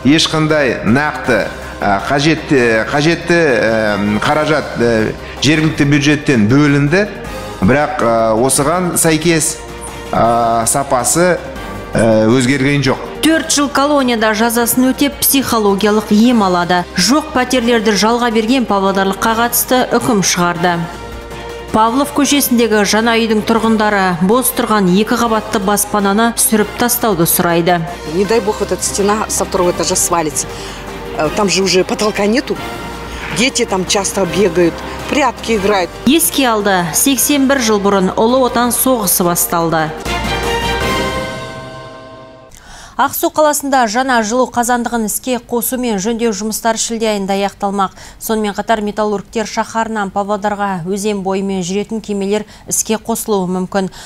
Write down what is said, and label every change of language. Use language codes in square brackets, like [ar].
[kk] Ешқандай нақты қажетті қаражат жергілікті бюджеттен бөлінді, бірақ осыған сәйкес сапасы өзгерген жоқ. 4 жыл колонияда жазасын өтеп, психологиялық ем алады. Жоқ пәтерлерді жалға берген павлодарлыққа қатысты үкім шығарды. Павлов көшесіндегі жаңа үйдің тұрғындары бос тұрған екі қабатты баспананы сүріп тастауды сұрайды. [ru] Не дай бог, эта стена со второго этажа свалится. Там же уже потолка нету. Дети там часто бегают, прятки играют. [kk] Еске алды, 81 жыл бұрын Ұлы Отан соғысы басталды. Ақсу қаласында жаңа жылу қазандығын іске қосу мен жөндеу жұмыстары шілде айында аяқталмақ. Сонымен қатар металлургтер шаһарынан Павлодарға өзен бойымен жүретін кемелер іске қосылуы мүмкін.